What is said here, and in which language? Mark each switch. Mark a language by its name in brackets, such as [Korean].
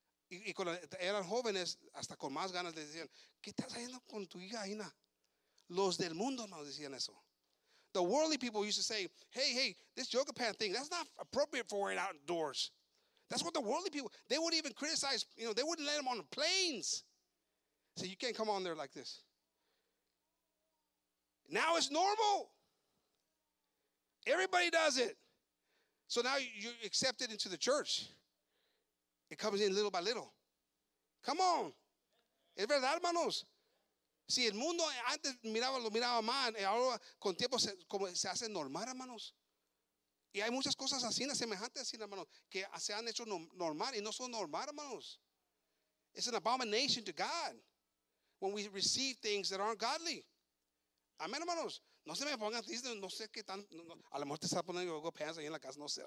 [Spanish] Y cuando eran jóvenes, hasta con más ganas, les decían, ¿qué estás haciendo con tu hija, Aina? Los del mundo, hermanos, decían eso. [English] The worldly people used to say, hey, this yoga pant thing, that's not appropriate for wearing outdoors. That's what the worldly people, they wouldn't even criticize, you know, they wouldn't let them on planes. So you can't come on there like this. Now it's normal. Everybody does it. So now you accept it into the church. It comes in little by little. Come on. [Spanish] Es verdad, hermanos. Si el mundo antes miraba, lo miraba mal, y ahora con tiempo se hace normal, hermanos. Y hay muchas cosas así, semejantes así, hermanos, que se han hecho normal y no son normal, hermanos. [English] It's an abomination to God when we receive things that aren't godly. [Spanish] Amén, hermanos. No se me pongan tristes, no sé qué tan. A lo mejor te está poniendo yoga pants ahí en la casa, no sé.